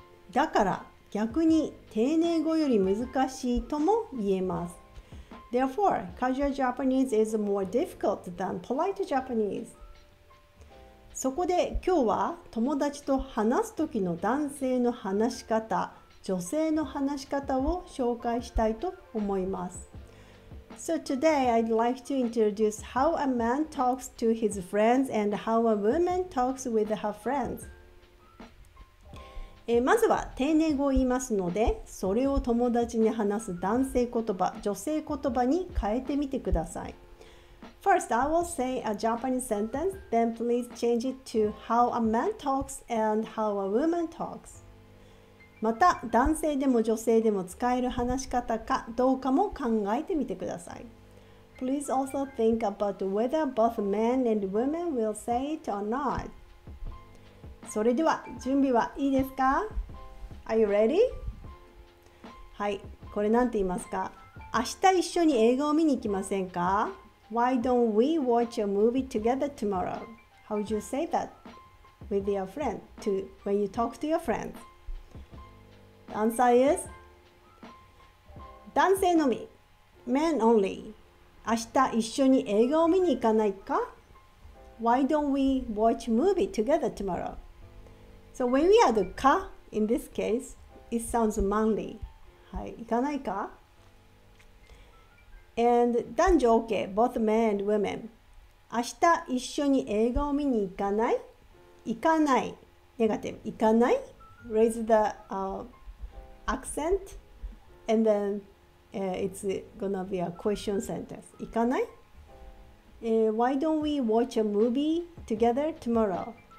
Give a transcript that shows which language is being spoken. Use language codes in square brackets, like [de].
[ja] だから逆に丁寧語より難しいとも言えます。 [en] Therefore, casual Japanese is more difficult than polite Japanese. [ja] そこで今日は友達と話す時の男性の話し方、女性の話し方を紹介したいと思います。 [en] So today I'd like to introduce how a man talks to his friends and how a woman talks with her friends. [ja] まずは丁寧語を言いますので、それを友達に話す男性言葉、女性言葉に変えてみてください。 [en] First, I will say a Japanese sentence, then please change it to how a man talks and how a woman talks. [ja] また、男性でも女性でも使える話し方かどうかも考えてみてください。 [en] Please also think about whether both men and women will say it or not. [ja] それでは準備はいいですか？ [en] Are you ready? [ja] これ何て言いますか？明日一緒に映画を見に行きませんか？ [en] Why don't we watch a movie together tomorrow? How would you say that with your friend to when you talk to your friends? The answer is [ja] 男性のみ、 [en] Men only. [ja] 明日一緒に映画を見に行かないか？ [en] Why don't we watch a movie together tomorrow? So when we add ka in this case, It sounds manly. [ja] はい、行かないか? [en] And 男女 OK, both men and women. [ja] 明日一緒に映画を見に行かない? 行かない。ネガティブ。行かない? [en] Raise the accent and then it's gonna be a question sentence. [ja] 行かない? [en] Why don't we watch a movie together tomorrow?